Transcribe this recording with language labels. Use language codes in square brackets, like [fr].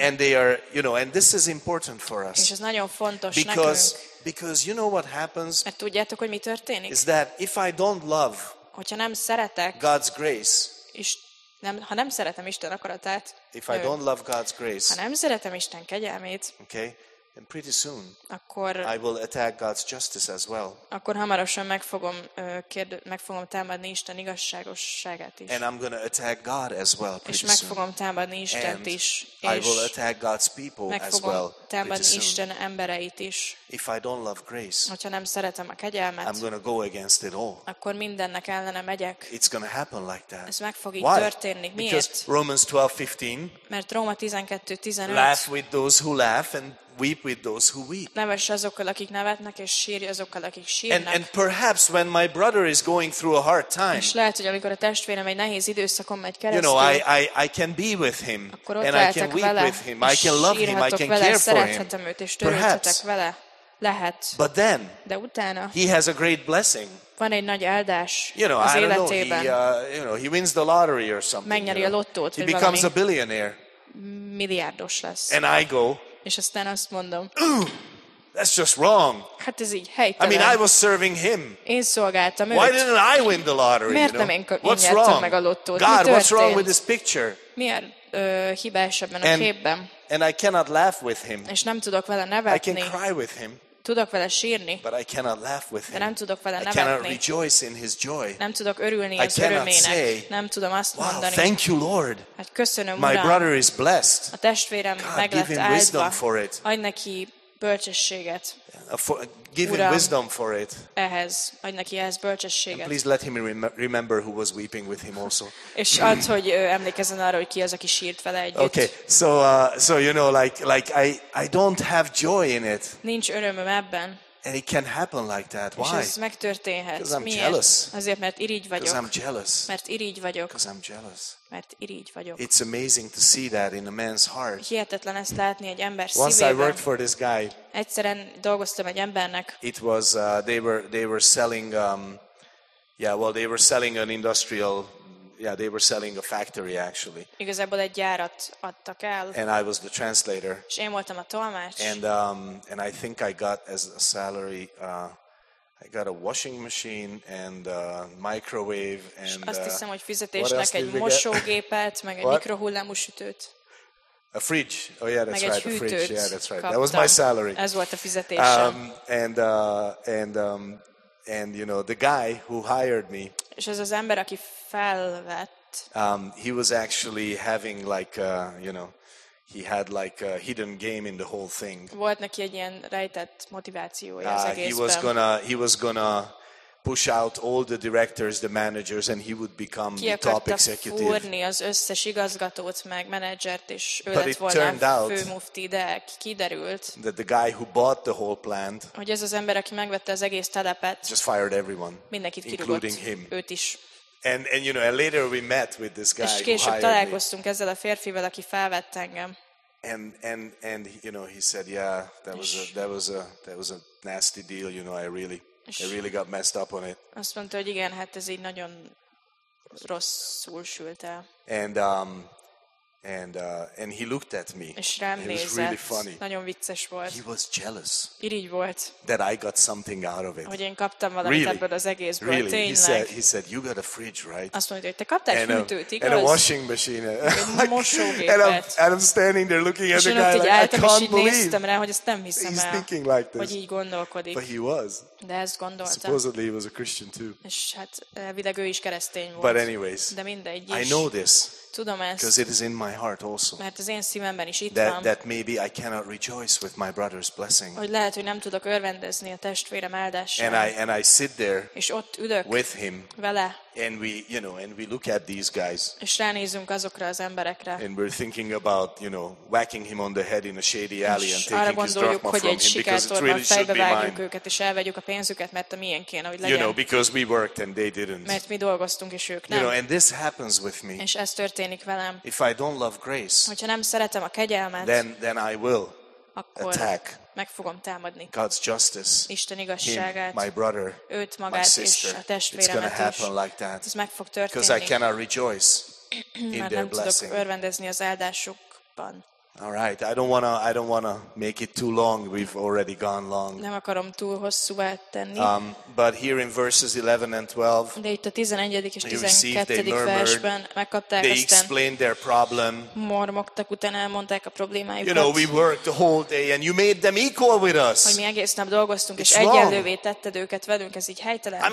[en] And they are, you know, and this is important for us. [hu] És ez nagyon fontos [en] because, [hu] nekünk. [en] Because you know what happens? [hu] Mert tudjátok, hogy mi történik? [en] Is that if I don't love [hu] hogyha nem szeretek [en] God's grace, [hu] és nem, ha nem szeretem Isten akaratát, [en] if I don't love God's grace, [hu] ha nem szeretem Isten kegyelmét, [en] okay, and pretty soon, [hu] akkor [en] I will attack God's justice as well. [hu] Akkor hamarosan meg fogom támadni Isten igazságosságát is. [en] And I'm gonna attack God as well pretty soon. [hu] És meg fogom támadni Istent is. [en] I will attack God's people as well. [hu] Támadni Isten embereit is. [en] If I don't love grace, [hu] hogyha nem szeretem a kegyelmet, [en] I'm gonna go against it all. [hu] Akkor mindennek ellene megyek. [en] It's gonna happen like that. [hu] Ez meg fog így [en] why? [hu] Történni. Miért? [en] Because Romans 12:15. [hu] Mert Róma 12:15. [en] Laugh with those who laugh and weep with those who weep. [hu] Nevess azokkal, akik nevetnek, és sírj azokkal, akik sírnak. [en] And perhaps when my brother is going through a hard time. [hu] És lehet, hogy amikor a testvérem egy nehéz időszakon megy keresztül. [en] You know, I can be with him and I can weep with him. I can love him. I can care for him. [hu] Szerethetem őt, és törődhetek vele. Lehet. [en] But then. [hu] De utána. [en] He has a great blessing. [hu] Van egy nagy áldás. [en] You know, [hu] az [en] I don't know. He wins the lottery or something. [hu] Megnyeri a lottót. [en] He becomes a billionaire. [hu] Milliárdos lesz. [en] And I go. [hu] És aztán azt mondom, [en] That's just wrong. [hu] Hát ez így helytelen. [en] I mean, I was serving him. [hu] Én szolgáltam őt. [en] Why didn't I win the lottery? [hu] Miért nem én nyertem meg a lottót? [en] God, what's wrong with this picture? [hu] Miért hibás ebben a képben? [en] And I cannot laugh with him. [hu] És nem tudok vele nevetni. [en] I can cry with him. [hu] Tudok vele sírni. [en] But I cannot laugh with him. [hu] De nem tudok vele nevetni. [en] I cannot rejoice in his joy. [hu] Nem tudok örülni az örömének. Nem tudom azt mondani. [en] Wow, thank you, Lord. [hu] Hát köszönöm, Uram. [en] My brother is blessed. [hu] A testvérem meg lett áldva. [en] God, give him wisdom for it. [hu] Adj neki bölcsességet. [en] Give him wisdom for it. [hu] Ehhez, adj neki ehhez bölcsességet. [en] And please let him remember who was weeping with him also. [hu] És add, hogy emlékezzen arra, hogy ki az, aki sírt vele együtt. [en] Okay, so you know, like I don't have joy in it. [hu] Nincs örömöm ebben. [en] And it can happen like that. Why? [hu] És ez megtörténhet. [en] Because I'm [hu] miért? [en] Jealous. [hu] Azért, mert irigy vagyok. [en] Because I'm jealous. [hu] Mert irigy vagyok. [en] Because I'm jealous. [hu] Mert irigy vagyok. [en] It's amazing to see that in a man's heart. [hu] Hihetetlen ezt látni egy ember szívében. [en] Once I worked for this guy. [hu] Egyszeren dolgoztam egy embernek. [en] It was they were selling they were selling an industrial they were selling a factory actually. [hu] Igazából egy gyárat adtak el. [en] And I was the translator. [hu] És én voltam a tolmács. [en] And I think I got as a salary I got a washing machine and a microwave and [hu] azt hiszem, hogy fizetésnek egy mosógépet, meg egy mikrohullámú sütőt. [en] A fridge. Oh yeah, that's right. A fridge. Yeah, that's right. That was my salary. [hu] Ez volt a fizetésem. [en] And you know, the guy who hired me. [hu] És ez az ember, aki felvett. [en] He was actually having like he had like a hidden game in the whole thing. [hu] Volt neki egy ilyen rejtett motivációja az egészben. [en] He was gonna push out all the directors, the managers, and he would become the top executive. [hu] Ki akarta fúrni az összes igazgatót meg menedzsert, és ő lett volna főmufti, de kiderült, [en] that the guy who bought the whole plant, [hu] hogy ez az ember, aki megvette az egész telepet, [en] just fired everyone, [hu] mindenkit kirúgott, [en] including him. [hu] Őt is. [en] And you know, and later we met with this guy. [hu] És később találkoztunk ezzel a férfivel, aki felvett engem. [en] And you know, he said, yeah, that was a nasty deal, you know, I really got messed up on it. [hu] Azt mondta, hogy igen, hát ez így nagyon rosszul sült el. [en] And he looked at me. [hu] És rám nézett. [en] It was really funny. [hu] Nagyon vicces volt. [en] He was jealous. [hu] Irigy volt. [en] That I got something out of it. [hu] Hogy én kaptam valamit [en] really? [hu] Ebből az egészből. [en] Really? [hu] Tényleg. [en] He said, you got a fridge, right? [hu] Azt mondta, hogy te kaptál egy hűtőt, igaz? [en] And a washing machine. [hu] Egy mosógépet. [en] And I'm standing there looking at the guy like, I can't believe. [hu] Néztem rá, hogy ezt nem hiszem [en] he's [hu] el. [en] He's thinking like this. [hu] Hogy így gondolkodik. [en] But he was. [hu] De ezt gondoltam. [en] Supposedly he was a Christian too. [hu] És hát elvileg ő is keresztény volt. [en] But anyways. [hu] De mindegy is. [en] I know this. [hu] Tudom ezt, [en] because it is in my heart also. [hu] Mert az én szívemben is itt van. [en] That maybe I cannot rejoice with my brother's blessing. [hu] Hogy lehet, hogy nem tudok örvendezni a testvérem áldásán. [en] And I sit there. [hu] És ott ülök. [en] With him. [hu] Vele. [en] And we, you know, and we look at these guys. [hu] És ránézünk azokra az emberekre. [en] And we're thinking about, you know, whacking him on the head in a shady alley and taking [hu] arra gondoljuk, [en] his drachma from him because it really should be mine. [hu] Őket, és elvegyük a pénzüket, mert a miénk kéne, hogy legyen. [en] You know, because we worked and they didn't. [hu] Mert mi dolgoztunk és ők nem. [en] You know, and this happens with me. [hu] És ez történik velem. [en] If I don't love grace. [hu] Hogyha nem szeretem a kegyelmet. [en] Then I will. [hu] Akkor [en] attack. [hu] Meg fogom támadni. [en] God's justice. [hu] Isten igazságát. [en] Him, my brother. [hu] Őt magát és a testvéremet. [en] It's gonna happen like that. [hu] Ez meg fog történni. [en] Because I cannot rejoice in their blessing. [hu] Nem tudok örvendezni az áldásukban. [en] All right. I don't wanna make it too long. We've already gone long. [hu] Nem akarom túl hosszú eltenni. [en] But here in verses 11 and 12. [hu] De itt a 11. és 12. versben megkapták aztán. They explained their problem. Mormogtak, utána elmondták a problémájukat. [en] You know, we worked the whole day and you made them equal with us. [hu] Hogy mi egész nap dolgoztunk és egyenlővé tetted őket velünk, ez így helytelen.